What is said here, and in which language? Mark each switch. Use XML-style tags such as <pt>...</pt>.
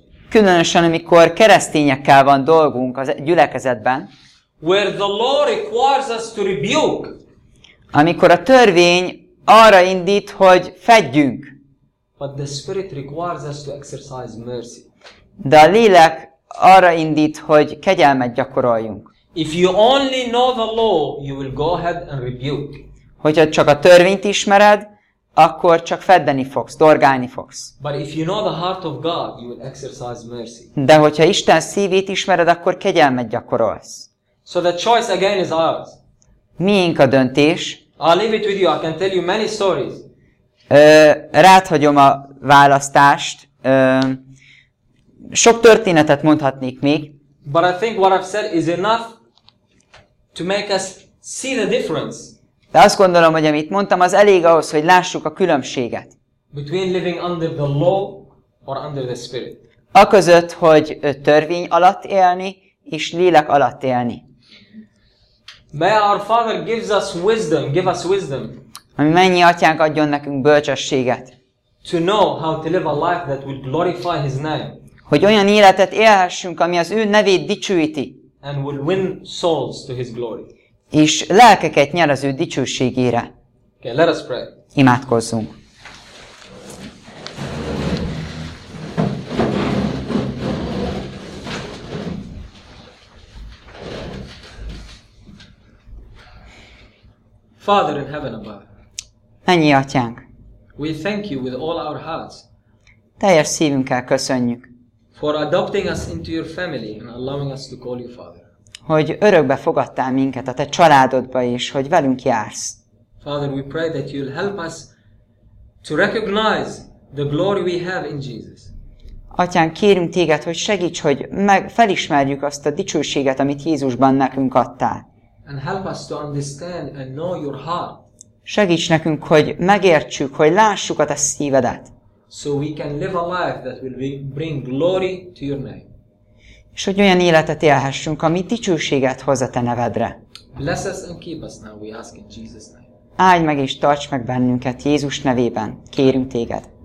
<hu>Különösen amikor keresztényekkel van dolgunk az gyülekezetben.</hu> <en>Where the law requires us to rebuke.</en> <hu>Amikor a törvény arra indít, hogy fedjünk.</hu> <en>But the Spirit requires us to exercise mercy.</en> <hu>De a lélek arra indít, hogy kegyelmet gyakoroljunk.</hu> <en>If you only know the law, you will go ahead and rebuke.</en> <hu>Hogyha csak a törvényt ismered, akkor csak feddeni fogsz, dorgálni fogsz.</hu> <en>But if you know the heart of God, you will exercise mercy.</en> <hu>De hogyha Isten szívét ismered, akkor kegyelmet gyakorolsz.</hu> <en>So the choice again is ours.</en> <hu>Miénk a döntés?</hu> <en>I'll leave it with you. I can tell you many stories.</en> <hu>Ráthagyom a választást. Sok történetet mondhatnék még.</hu> <en>But I think what I've said is enough to make us see the difference.</en> <hu>De azt gondolom, hogy amit mondtam, az elég ahhoz, hogy lássuk a különbséget.</hu> <en>Between living under the law or under the spirit.</en> <hu>Aközött, hogy törvény alatt élni és lélek alatt élni.</hu> <en>May our Father gives us wisdom, give us wisdom.</en> <hu>Ami mennyi atyánk adjon nekünk bölcsességet.</hu> <en>To know how to live a life that would glorify his name.</en> <hu>Hogy olyan életet élhessünk, ami az ő nevét dicsőíti.</hu> <en>And will win souls to his glory.</en> <hu>És lelkeket nyer az ő dicsőségére.</hu> <en>Okay, let us pray.</en> <hu>Imádkozzunk.</hu> <en>Father in heaven above.</en> <hu>Mennyi atyánk.</hu> <en>We thank you with all our hearts.</en> <hu>Teljes szívünkkel köszönjük.</hu> <en>For adopting us into your family and allowing us to call you father.</en> <hu>Hogy örökbe fogadtál minket a te családodba is, hogy velünk jársz.</hu> <en>Father, we pray that you'll help us to recognize the glory we have in Jesus.</en> <hu>Atyán, kérünk téged, hogy segíts, hogy felismerjük azt a dicsőséget, amit Jézusban nekünk adtál.</hu> <en>And help us to understand and know your heart.</en> <hu>Segíts nekünk, hogy megértsük, hogy lássuk a te szívedet.</hu> <en>So we can live a life that will bring glory to your name.</en> <hu>És hogy olyan életet élhessünk, ami dicsőséget hoz a te nevedre.</hu> <en>Bless us and keep us now, we ask in Jesus name.</en> <hu>Áldj meg és tarts meg bennünket Jézus nevében. Kérünk téged.</hu>